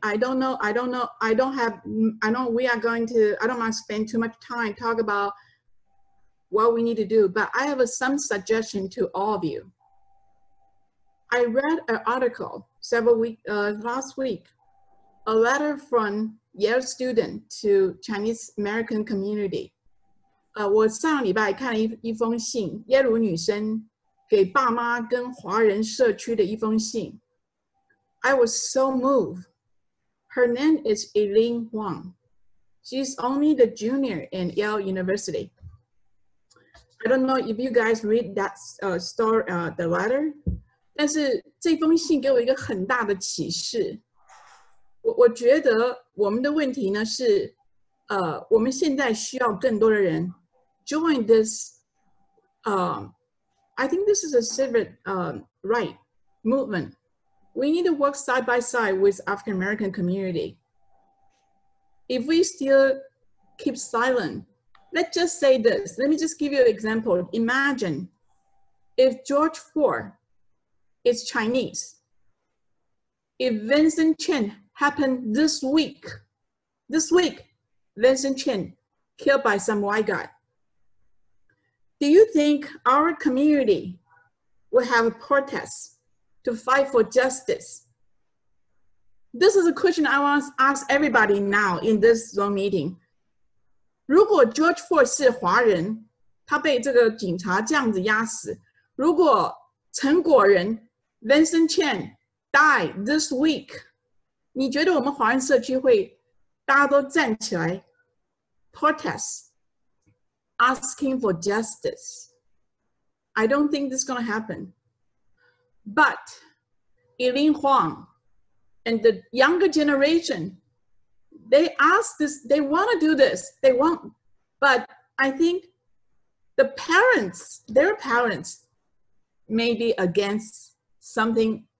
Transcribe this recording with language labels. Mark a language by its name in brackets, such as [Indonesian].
[English] I don't want to spend too much time talk about what we need to do, but I have some suggestion to all of you. I read an article last week, a letter from Yale student to Chinese American community. [Chinese] 我上礼拜看了一封信，耶鲁女生给爸妈跟华人社区的一封信。 [English] I was so moved. Her name is Eileen Huang. She's only the junior in Yale University. I don't know if you guys read that the letter. [Chinese] 但是这封信给我一个很大的启示。我觉得我们的问题呢是，我们现在需要更多的人 [English] join this. I think this is a civil right movement. We need to work side by side with African American community. If we still keep silent, let's just say this. Let me just give you an example. Imagine if George Ford is Chinese. If Vincent Chen happened this week, Vincent Chen killed by some white guy. Do you think our community will have a protest? To fight for justice. This is a question I want to ask everybody now in this Zoom meeting. [Chinese] 如果 George Ford 是华人，他被这个警察这样子压死。如果陈果仁 [English] Vincent Chen died this week, [Chinese] 你觉得我们华人社区会大家都站起来 [English] protest, asking for justice? I don't think this is going to happen. But Eileen Huang and the younger generation, they ask this, they want to do this, they want, but I think the parents, their parents may be against something.